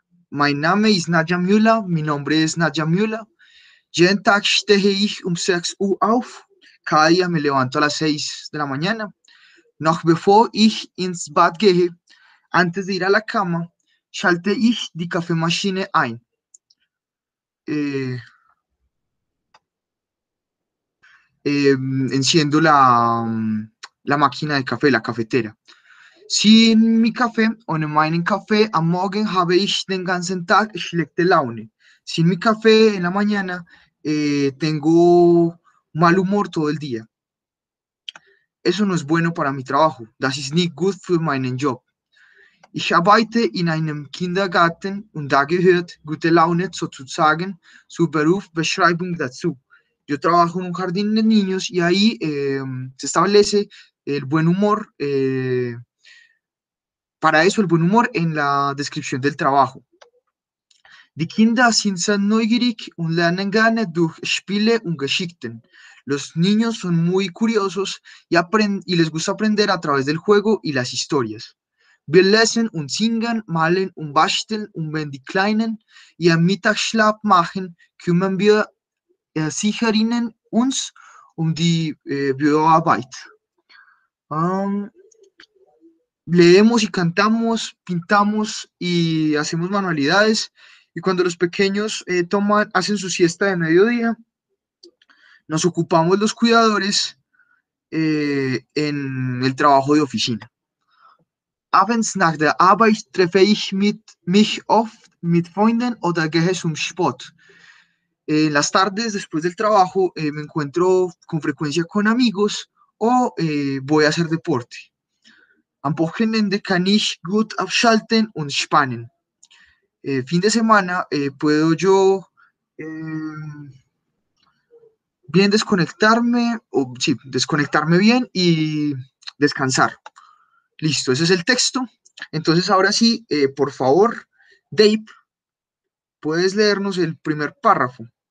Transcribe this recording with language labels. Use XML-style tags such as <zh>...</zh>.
<de>Mein Name ist Nadja Müller.</de> <es>Mi nombre es Nadja Müller.</es> <de>Jeden Tag stehe ich um 6 Uhr auf.</de> <es>Cada día me levanto a las 6 de la mañana.</es> <de>Noch bevor ich ins Bad gehe,</de> <es>antes de ir a la cama,</es> <de>schalte ich die Kaffeemaschine ein.</de> <es>Enciendo la máquina de café, la cafetera. Sin mi café,</es> <de>ohne meinen Kaffee, am Morgen habe ich den ganzen Tag schlechte Laune.</de> <es>Sin mi café en la mañana, tengo mal humor todo el día. Eso no es bueno para mi trabajo.</es> <de>Das ist nicht gut für meinen Job. Ich arbeite in einem Kindergarten und da gehört gute Laune sozusagen zur Berufsbeschreibung dazu.</de> <es>Yo trabajo en un jardín de niños y ahí se establece el buen humor. Para eso, el buen humor en la descripción del trabajo.</es> <de>Die Kinder sind sehr neugierig und lernen gerne durch Spiele und Geschichten.</de> <es>Los niños son muy curiosos y les gusta aprender a través del juego y las historias.</es> <de>Wir lesen und singen, malen und basteln. Und wenn die Kleinen ihren Mittagsschlaf machen, kümmern wir Erzieherinnen uns um die Büroarbeit.</de> <es>Leemos y cantamos, pintamos y hacemos manualidades. Y cuando los pequeños hacen su siesta de mediodía, nos ocupamos los cuidadores en el trabajo de oficina.</es> <de>Abends nach der Arbeit treffe ich mich oft mit Freunden oder gehe zum Sport.</de> <es>En las tardes, después del trabajo, me encuentro con frecuencia con amigos o voy a hacer deporte.</es> <de>Am Wochenende kann ich gut abschalten und spannen.</de> <es>Fin de semana puedo yo bien desconectarme, o sí, desconectarme bien y descansar. Listo, ese es el texto. Entonces, ahora sí, por favor, Dave, ¿puedes leernos el primer párrafo?</es>